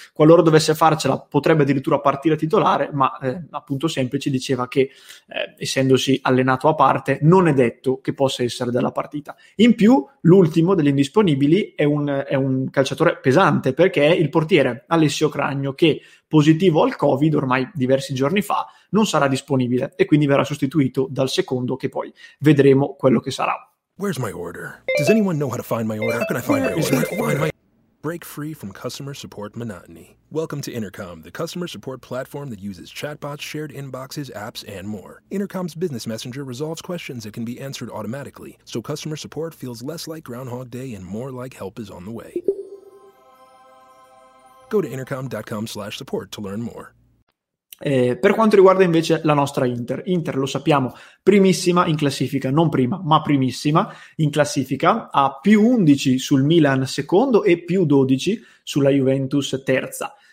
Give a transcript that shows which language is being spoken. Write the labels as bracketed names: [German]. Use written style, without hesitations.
[Italian] Qualora dovesse farcela potrebbe addirittura partire titolare, ma appunto Semplici diceva che essendosi allenato a parte non è detto che possa essere della partita. In più l'ultimo degli indisponibili è un calciatore pesante, perché è il portiere Alessio Cragno, che positivo al Covid ormai diversi giorni fa, non sarà disponibile e quindi verrà sostituito dal secondo, che poi vedremo quello che sarà. [English] Where's my order? Does anyone know how to find my order? How can I find my order? Break free from customer support monotony. Welcome to Intercom, the customer support platform that uses chatbots, shared inboxes, apps, and more. Intercom's business messenger resolves questions that can be answered automatically, so customer support feels less like Groundhog Day and more like help is on the way. Go to intercom.com/support to learn more. [Italian] Per quanto riguarda invece la nostra Inter lo sappiamo, primissima in classifica, non prima, ma primissima in classifica, a più 11 sul Milan secondo e più 12 sulla Juventus terza.